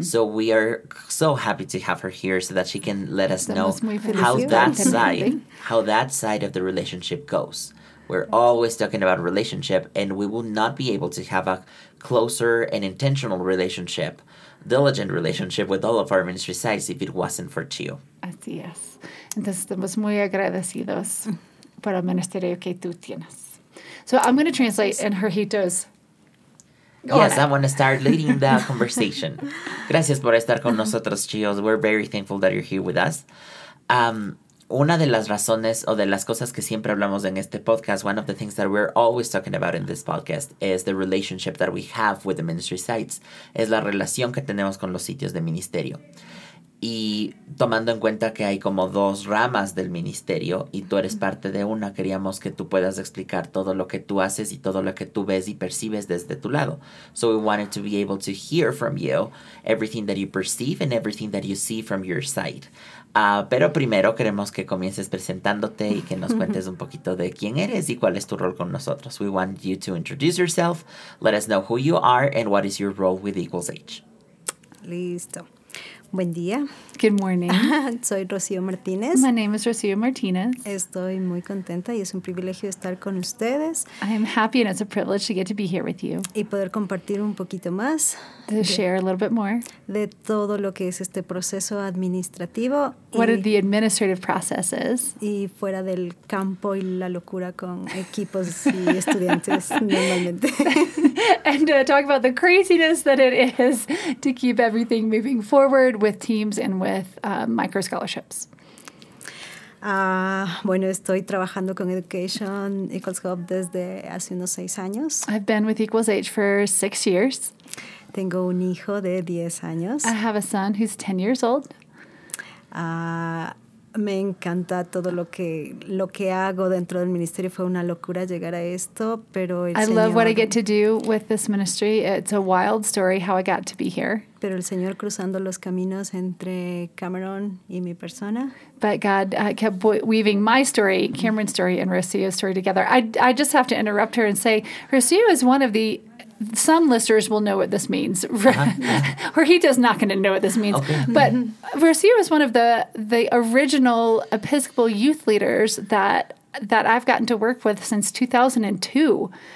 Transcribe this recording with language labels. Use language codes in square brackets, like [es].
[en] So we are so happy to have her here so that she can let us know how that side of the relationship goes. We're always talking about relationship, and we will not be able to have a closer and intentional relationship, diligent relationship with all of our ministry sites if it wasn't for Chio. [es] Así es. Entonces, estamos muy agradecidos por el ministerio que tú tienes. [en] So I'm going to translate in Jorgito's. Yes, I want to start leading the conversation. [es] Gracias por estar con nosotros, Chio. [en] We're very thankful that you're here with us. [es] Una de las razones o de las cosas que siempre hablamos en este podcast, [en] one of the things that we're always talking about in this podcast is the relationship that we have with the ministry sites, [es] es la relación que tenemos con los sitios de ministerio. Y tomando en cuenta que hay como dos ramas del ministerio y tú eres parte de una, queríamos que tú puedas explicar todo lo que tú haces y todo lo que tú ves y percibes desde tu lado. [en] So we wanted to be able to hear from you everything that you perceive and everything that you see from your side. [es] Pero primero queremos que comiences presentándote y que nos cuentes un poquito de quién eres y cuál es tu rol con nosotros. [en] We want you to introduce yourself, let us know who you are and what is your role with Equals H. [es] Listo. Buen día. [en] Good morning. [es] Soy Rocio Martinez. [en] My name is Rocio Martinez. [es] Estoy muy contenta y es un privilegio estar con ustedes. [en] I am happy and it's a privilege to get to be here with you. [es] Y poder compartir un poquito más. [en] To share a little bit more. [es] De todo lo que es este proceso administrativo. [en] What are the administrative processes? [es] Y fuera del campo y la locura con equipos y estudiantes normalmente. [en] And talk about the craziness that it is to keep everything moving forward with teams and with microscholarships. [es] Bueno, estoy trabajando con Education Equals Hub desde hace unos 6 años. [en] I've been with Equals H for 6 years. [es] Tengo un hijo de 10 años. [en] I have a son who's 10 years old. [es] Me encanta todo lo que hago dentro del ministerio. Fue una locura llegar a esto, pero el [en] I [es] Señor, [en] love what I get to do with this ministry. It's a wild story how I got to be here. [es] Pero el Señor cruzando los caminos entre Cameron y mi persona. [en] But God kept weaving my story, Cameron's story, and Rocio's story together. I just have to interrupt her and say, Rocio is one of the... Some listeners will know what this means. Uh-huh. Jorgito's not going to know what this means. Okay. But Rocio is one of the original Episcopal youth leaders that I've gotten to work with since 2002.